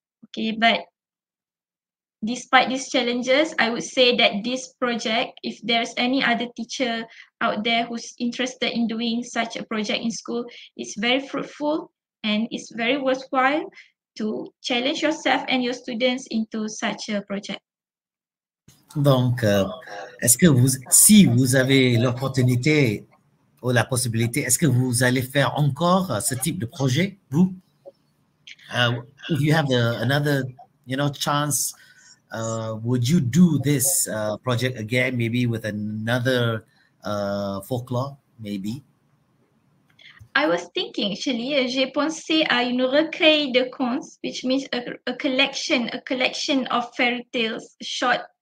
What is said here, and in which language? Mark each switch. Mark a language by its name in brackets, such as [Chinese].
[English] Okay, but despite these challenges, I would say that this project, if there's any other teacher out there who's interested in doing such a project in school, it's very fruitful and it's very worthwhile to challenge yourself and your students into such a project. [French] Donc, est-ce que vous, si vous avez l'opportunité ou la possibilité, est-ce que vous allez faire encore ce type de projet, vous? [English] If you have another, you know, chance, would you do this project again, maybe with another folklore, maybe? I was thinking, actually, [French] j'ai pensé à une recueil de contes, [English] which means a collection of fairy tales, short.